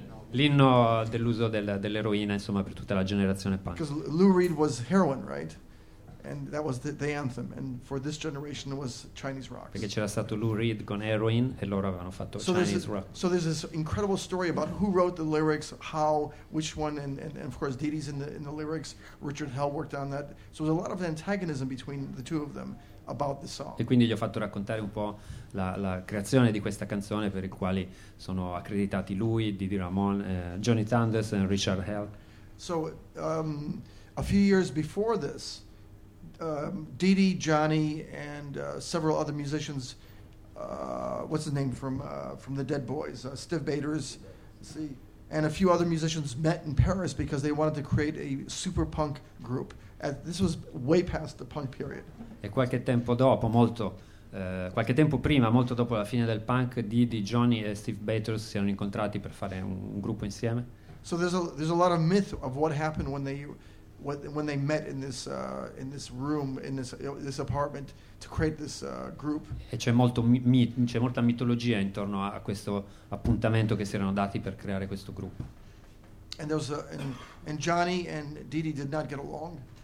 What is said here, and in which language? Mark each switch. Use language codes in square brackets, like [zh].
[it] L'inno dell'uso dell'eroina, insomma, per tutta la generazione punk. [en] Because Lou Reed was heroin, right? And that was the anthem. And for this generation, it was Chinese Rocks. [it] Perché c'era stato Lou Reed con heroin e loro avevano fatto Chinese Rocks. [en] So there's this incredible story about who wrote the lyrics, how, which one, and of course, Didi's in the lyrics. Richard Hell worked on that. So there's a lot of antagonism between the two of them. About the song. [it] E quindi gli ho fatto raccontare un po' la creazione di questa canzone per i quali sono accreditati lui, Didi Ramone, Johnny Thunders e Richard Hell. [en] So a few years before this, Didi, Johnny and several other musicians, what's his name from the Dead Boys, Steve Bader's, see, and a few other musicians met in Paris because they wanted to create a super punk group. This was way past the punk period. [it] E qualche tempo dopo, qualche tempo prima, molto dopo la fine del punk, Didi, Johnny e Steve Bators si erano incontrati per fare un gruppo insieme. [en] So there's a lot of myth of what happened when they met in this room in this apartment to create this group. [it] E c'è molta mitologia intorno a questo appuntamento che si erano dati per creare questo gruppo. [en] And there was and Johnny and Didi did not get along.